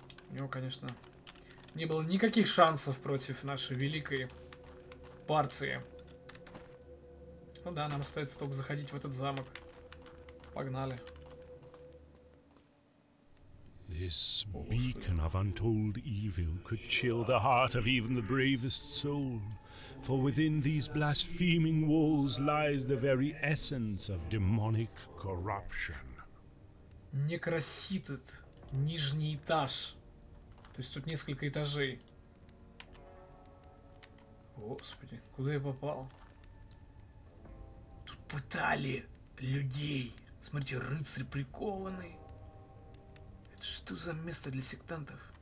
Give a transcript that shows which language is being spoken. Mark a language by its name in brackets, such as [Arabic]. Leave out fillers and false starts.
[Russian] У него, конечно, не было никаких шансов против нашей великой партии. Ну да, нам остается только заходить в этот замок. Погнали. [English] This beacon of untold evil could chill the heart of even the bravest soul, for within these blaspheming walls lies the very essence of demonic corruption. [Russian] Некроситет, нижний этаж. То есть тут несколько этажей. Господи, куда я попал? Тут пытали людей. Смотрите, рыцарь прикованный. Что за место для сектантов?